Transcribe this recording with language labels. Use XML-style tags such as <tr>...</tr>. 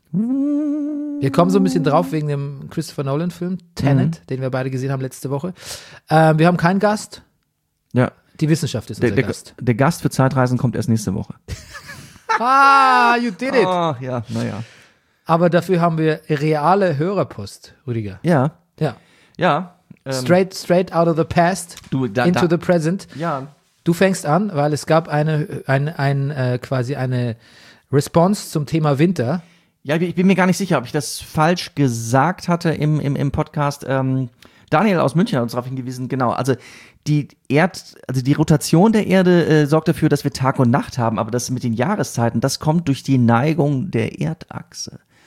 <de>Wir kommen so ein bisschen drauf wegen dem Christopher Nolan Film, Tenet, den wir beide gesehen haben letzte Woche. Wir haben keinen Gast. Ja. Die Wissenschaft ist unser Gast. Der Gast für Zeitreisen kommt erst nächste Woche.</de> <en>Ah, you did it.</en> <de>Ach ja, naja. Aber dafür haben wir reale Hörerpost, Rüdiger. Ja. Ja. Ja.</de> <en>Straight out of the past, into the present.</en> <de>Ja. Du fängst an, weil es gab quasi eine Response zum Thema Winter. Ja, ich bin mir gar nicht sicher, ob ich das falsch gesagt hatte im Podcast. Daniel aus München hat uns darauf hingewiesen, genau. Also die Rotation der Erde sorgt dafür, dass wir Tag und Nacht haben, aber das mit den Jahreszeiten, das kommt durch die Neigung der Erdachse.</de>